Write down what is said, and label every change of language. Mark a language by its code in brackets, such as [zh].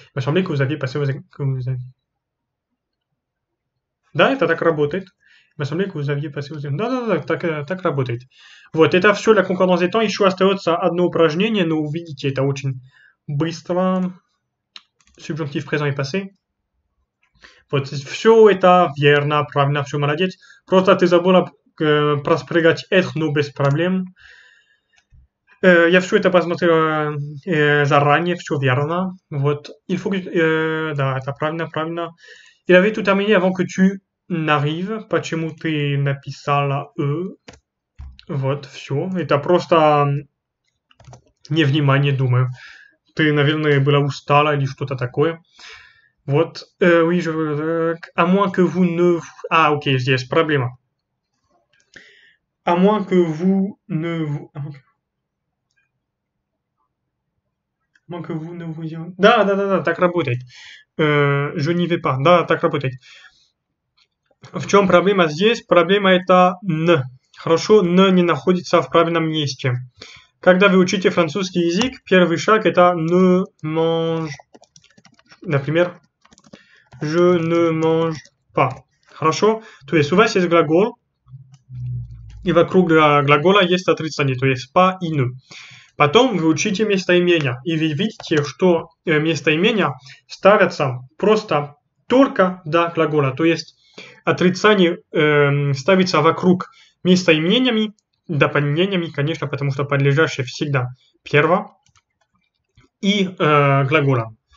[fr] Il m'a semblé que vous aviez passé vos examens. [ru] Да, это так работает. [fr] Il m'a semblé que vous aviez passé vos examens. [ru] Да, так работает. Вот, это все, [fr] la concordance des temps. [ru] Еще остается одно упражнение, но увидите, это очень быстро. [fr] Subjonctif présent et passé. [ru] Вот, все это верно, правильно, все молодец. Просто ты забыла проспрягать être, но без проблем. Я все это посмотрел заранее, все верно. Вот, [fr] il faut que... [ru] да, это правильно, правильно. [fr] Il avait tout terminé avant que tu n'arrives. [ru] Почему ты написала E? Вот, все. Это просто невнимание, думаю. Ты, наверное, была устала или что-то такое. Вот. [fr] Oui, je... À moins que vous ne... [ru] Ah, ok, здесь проблема. [fr] À moins que vous ne... Moins que vous ne vous... [ru] Да, так работает. [fr] Je n'y vais pas. Да, так работает. [ru] В чем проблема здесь? Проблема это «не». Хорошо, «не» не находится в правильном месте. Когда вы учите французский язык, первый шаг это [fr] ne mange. [ru] Например, [fr] je ne mange pas. [ru] Хорошо? То есть у вас есть глагол, и вокруг глагола есть отрицание, то есть pas и ne. Потом вы учите местоимение, и вы видите, что местоимения ставятся просто только до глагола. То есть отрицание ставится вокруг местоимениями, дополнениями, конечно, потому что подлежащее всегда перво и глагола.